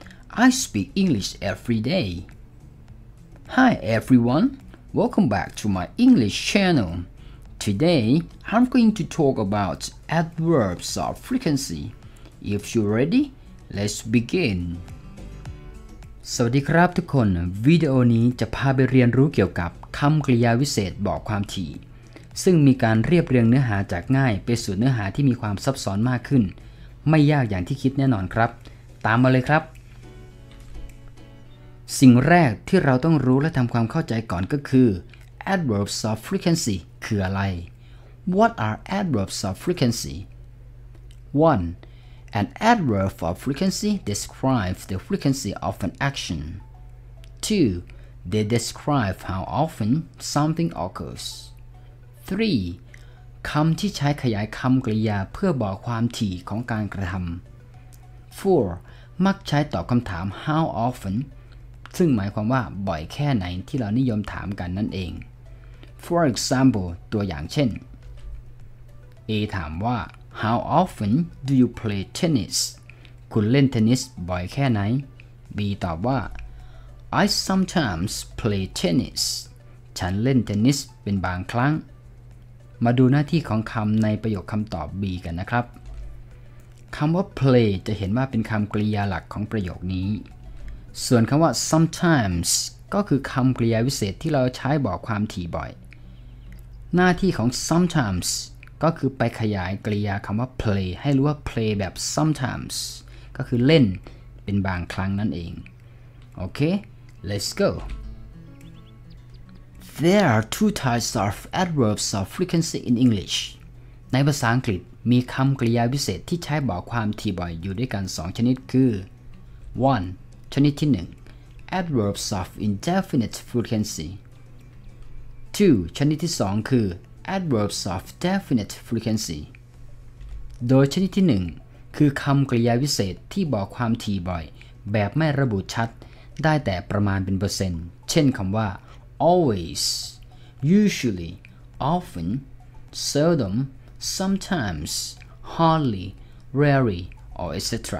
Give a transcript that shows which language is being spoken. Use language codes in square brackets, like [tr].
[en] I speak English every day. Hi everyone, welcome back to my English channel. Today, I'm going to talk about adverbs of frequency. If you're ready, let's begin. [th] สวัสดีครับทุกคนวิดีโอนี้จะพาไปเรียนรู้เกี่ยวกับคำกริยาวิเศษบอกความถี่ซึ่งมีการเรียบเรียงเนื้อหาจากง่ายไปสู่เนื้อหาที่มีความซับซ้อนมากขึ้นไม่ยากอย่างที่คิดแน่นอนครับตามมาเลยครับสิ่งแรกที่เราต้องรู้และทำความเข้าใจก่อนก็คือ adverbs of frequency คืออะไร [en] What are adverbs of frequency? 1. An adverb of frequency describes the frequency of an action. 2. They describe how often something occurs. 3. [th] คำที่ใช้ขยายคำกริยาเพื่อบอกความถี่ของการกระทำ 4. มักใช้ตอบคำถาม how often? ซึ่งหมายความว่าบ่อยแค่ไหนที่เรานิยมถามกันนั่นเอง For example ตัวอย่างเช่น A ถามว่า [en] How often do you play tennis? [th] คุณเล่นเทนนิสบ่อยแค่ไหน B ตอบว่า [en] I sometimes play tennis [th] ฉันเล่นเทนนิสเป็นบางครั้งมาดูหน้าที่ของคำในประโยคคำตอบ B กันนะครับ คำว่า play จะเห็นว่าเป็นคำกริยาหลักของประโยคนี้ส่วนคำว่า sometimes ก็คือคำกริยาวิเศษที่เราใช้บอกความถี่บ่อยหน้าที่ของ sometimes ก็คือไปขยายกริยาคำว่า play ให้รู้ว่า play แบบ sometimes ก็คือเล่นเป็นบางครั้งนั่นเองโอเค [en] let's go There are two types of adverbs of frequency in English [th] ในภาษาอังกฤษมีคำกริยาวิเศษที่ใช้บอกความถี่บ่อยอยู่ด้วยกัน2ชนิดคือ1ชนิดที่1 [en] adverbs of indefinite frequency [th] 2ชนิดที่2คือ [en] adverbs of definite frequency [th] โดยชนิดที่1คือคำกริยาวิเศษที่บอกความถี่บ่อยแบบไม่ระบุชัดได้แต่ประมาณเป็นเปอร์เซ็นต์เช่นคำว่า always usually often seldom sometimes hardly rarely or etc.